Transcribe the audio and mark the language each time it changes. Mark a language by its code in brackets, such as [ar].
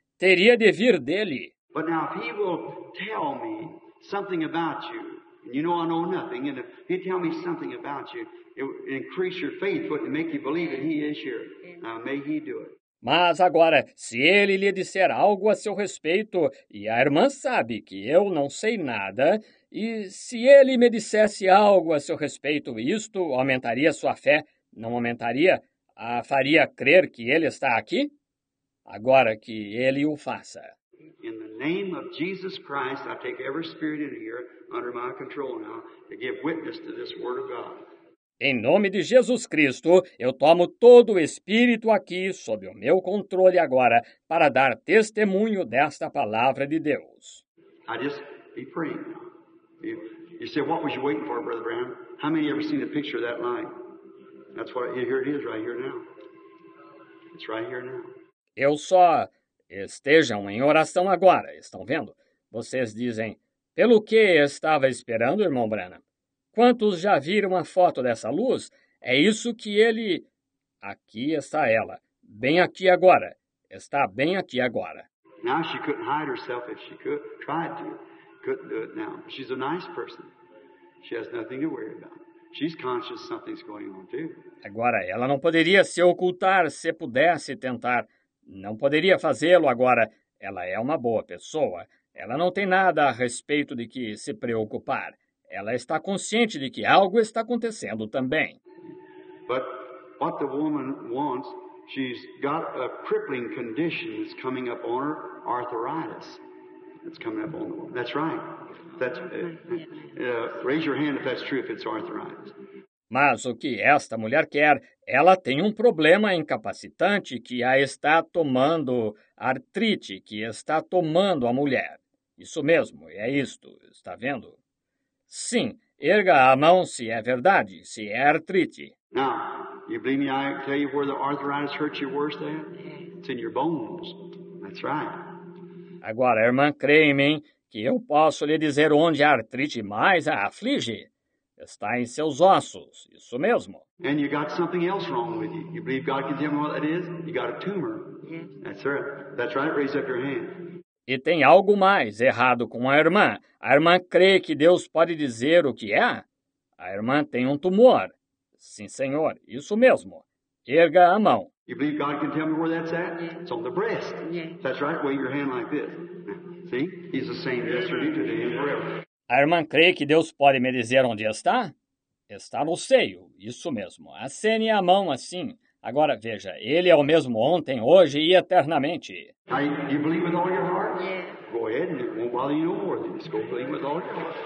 [pt] Teria de vir dele. [en] But now, if he will tell me something about you, and you know I know nothing, and if he tell me something about you, it would increase your faith, wouldn't it make you believe that he is here? Now, may he do it. [pt] Mas agora, se ele lhe disser algo a seu respeito, e a irmã sabe que eu não sei nada, e se ele me dissesse algo a seu respeito, isto aumentaria sua fé, não aumentaria? A faria crer que ele está aqui? Agora que ele o faça. [en] In the name of Jesus Christ, I take every spirit in here under my control now to give witness to this word of God. [pt] Em nome de Jesus Cristo, eu tomo todo o Espírito aqui sob o meu controle agora para dar testemunho desta palavra de Deus. [en] I just be praying now. You say, what was you waiting for, Brother Brown? How many ever seen a picture of that light? That's what, here it is, right here now. It's right here now. [pt] Eu só... Estejam em oração agora, estão vendo? Vocês dizem, pelo que estava esperando, irmão Branham? Quantos já viram a foto dessa luz? É isso que ele... Aqui está ela, bem aqui agora. Está bem aqui agora. [en] Now she couldn't hide herself if she could, tried to. Couldn't do it now. She's a nice person. She has nothing to worry about. She's conscious something's going on too. [pt] Agora, ela não poderia se ocultar se pudesse tentar. Não poderia fazê-lo agora. Ela é uma boa pessoa. Ela não tem nada a respeito de que se preocupar. Ela está consciente de que algo está acontecendo também. [en] But what the woman wants, she's got a crippling condition that's coming up on her, arthritis. That's coming up on the woman. That's right. That's, raise your hand if that's true, if it's arthritis. [pt] Mas o que esta mulher quer, ela tem um problema incapacitante que a está tomando, artrite que está tomando a mulher. Isso mesmo, é isto, está vendo? Sim, erga a mão se é verdade, se é artrite. [en] Now, you believe me, I tell you where the arthritis hurts you worst at? It's in your bones. That's right. [pt] Agora, irmã, creia em mim que eu posso lhe dizer onde a artrite mais a aflige. Está em seus ossos, isso mesmo. [en] And you got something else wrong with you. You believe God can tell me what that is? You got a tumor. Yes. That's right. That's right. Raise up your hand. [pt] E tem algo mais errado com a irmã. A irmã crê que Deus pode dizer o que é? A irmã tem um tumor. Sim, senhor, isso mesmo. Erga a mão. [en] You believe God can tell me where that's at? Yes. It's on the breast. Yes. That's right. Wave your hand like this. See? He's the same yesterday, today, and forever. [pt] A irmã crê que Deus pode me dizer onde está? Está no seio, isso mesmo. Acene a mão assim. Agora veja, ele é o mesmo ontem, hoje e eternamente. [en] You believe with all your heart? Yeah. Go ahead and it won't bother you no more. Just go believe with all your heart.